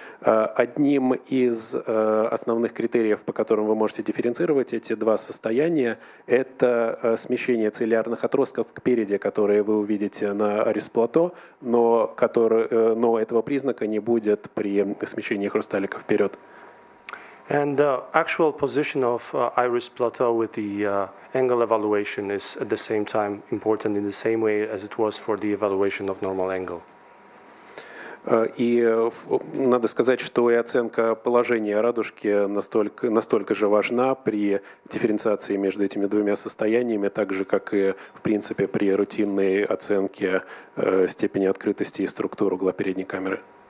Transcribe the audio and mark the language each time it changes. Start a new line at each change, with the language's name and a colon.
Russian: Одним из основных критериев, по которым вы можете дифференцировать эти два состояния, это смещение целлярных отростков к переди, которые вы увидите на арисплато, но этого признака не будет при смещении хрусталика вперед.
English: And the actual position of iris plateau with the angle evaluation is at the same time important in the same way as it was for the evaluation of normal angle.
Russian: И надо сказать, что и оценка положения радужки настолько же важна при дифференциации между этими двумя состояниями, так же, как и, в принципе, при рутинной оценке степени открытости и структур угла передней камеры.